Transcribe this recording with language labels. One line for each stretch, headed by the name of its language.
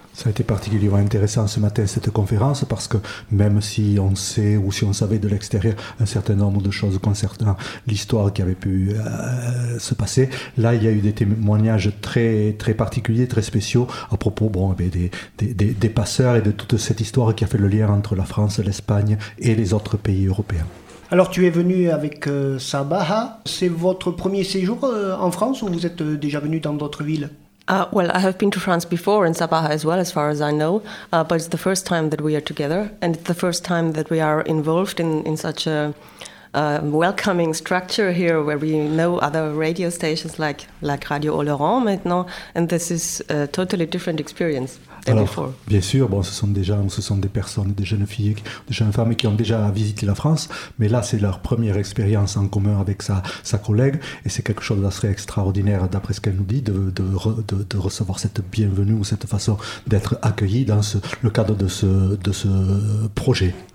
French: Ça a été particulièrement intéressant ce matin, cette conférence, parce que même si on sait ou si on savait de l'extérieur un certain nombre de choses concernant l'histoire qui avait pu se passer, là il y a eu des témoignages très, très particuliers, très spéciaux à propos des passeurs et de toute cette histoire qui a fait le lien entre la France, l'Espagne et les autres pays européens. Alors tu es venu avec Sabaha. C'est votre premier séjour en France ou vous êtes déjà venu dans d'autres villes?
English: Well, I have been to France before in Sabaha as well, as far as I know. But it's the first time that we are together and it's the first time that we are involved in such a welcoming structure here, where we know other radio stations like Radio Oloron maintenant, and this is a totally different experience.
French: Alors, bien sûr, bon, ce sont des personnes, des jeunes filles, des jeunes femmes qui ont déjà visité la France, mais là, c'est leur première expérience en commun avec sa collègue, et c'est quelque chose d'assez extraordinaire, d'après ce qu'elle nous dit, de recevoir cette bienvenue ou cette façon d'être accueillie dans le cadre de ce projet.